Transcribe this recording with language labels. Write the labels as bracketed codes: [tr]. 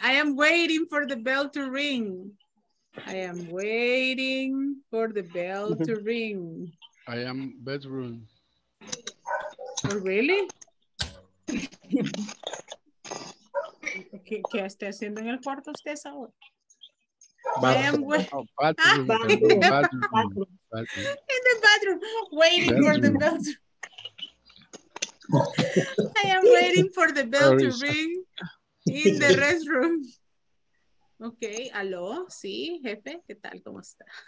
[en] I am waiting for the bell to ring. I am waiting for the bell to ring. I am bedroom. Oh, really? [es] ¿Qué está haciendo en el cuarto usted ahora? [en] I am waiting for the bell to ring in the restroom. [es] Okay, aló, sí, jefe, ¿qué tal? ¿Cómo está?